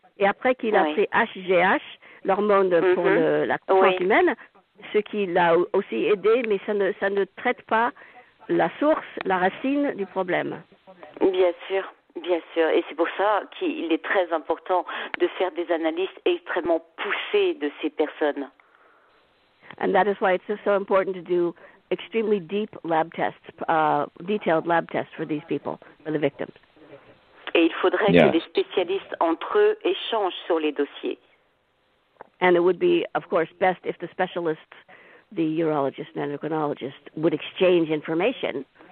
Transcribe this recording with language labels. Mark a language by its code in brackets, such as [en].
[fr] Et après qu'il a fait HGH, l'hormone pour la croissance humaine, ce qui l'a aussi aidé, mais ça ne traite pas la source, la racine du problème. Bien sûr. Et c'est pour ça qu'il est très important de faire des analyses extrêmement poussées de ces personnes. [en] And that is why it's so important to do extremely deep lab tests, detailed lab tests for these people, for the victims. [fr] Et il faudrait que les spécialistes entre eux échangent sur les dossiers. [en] And it would be, of course, best if the specialists, the urologists and endocrinologists, would exchange information.